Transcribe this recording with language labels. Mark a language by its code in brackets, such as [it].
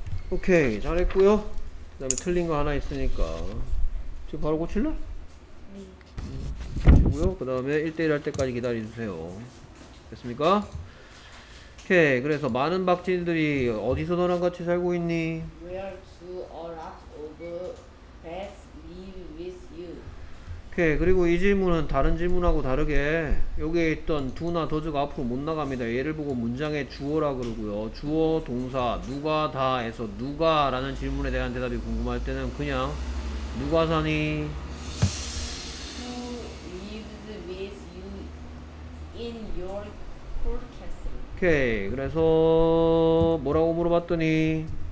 [ko] 오케이, 잘했고요. 그 다음에 틀린 거 하나 있으니까 지금 바로 고칠래? 네. 고요. 그 다음에 1대1 할 때까지 기다려주세요. 됐습니까? 오케이, 그래서 많은 박쥐들이 어디서 너랑 같이 살고 있니? [en] Where do a lot of bats live with you? [ko] 오케이, 그리고 이 질문은 다른 질문하고 다르게 여기에 있던 do나 does가 앞으로 못 나갑니다. 얘를 보고 문장에 주어라 그러고요. 주어, 동사, 누가 다에서 누가 라는 질문에 대한 대답이 궁금할 때는 그냥 누가 사니? [en] Who lives with you in your cool castle? [ko] 오케이, 그래서 뭐라고 물어봤더니